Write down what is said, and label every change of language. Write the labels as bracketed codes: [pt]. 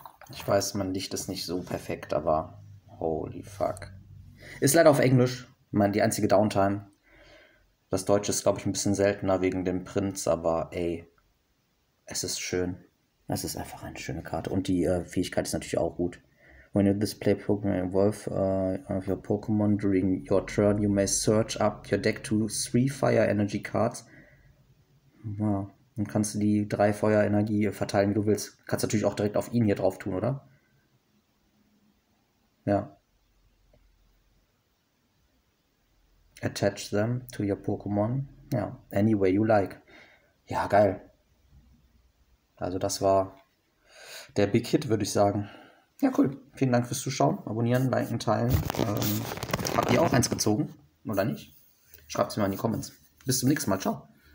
[de] Ich weiß, mein Licht ist nicht so perfekt, aber [en] holy fuck. [de] Ist leider auf Englisch. Die einzige Downtime. Das Deutsche ist, glaube ich, ein bisschen seltener wegen dem Prinz, aber ey, es ist schön. Es ist einfach eine schöne Karte. Und die Fähigkeit ist natürlich auch gut. [en] When you display Pokémon Wolf of your Pokémon during your turn, you may search up your deck to three Fire Energy Cards. [de] Ja, dann kannst du die drei Feuer Energie verteilen, wie du willst. Kannst natürlich auch direkt auf ihn hier drauf tun, oder? Ja. [en] Attach them to your Pokémon. Ja, any way you like. [de] Ja, geil. Also das war der Big Hit, würde ich sagen. Ja, cool. Vielen Dank fürs Zuschauen. Abonnieren, liken, teilen. Habt ihr auch eins gezogen? Oder nicht? Schreibt es mir mal in die Comments. Bis zum nächsten Mal. Ciao.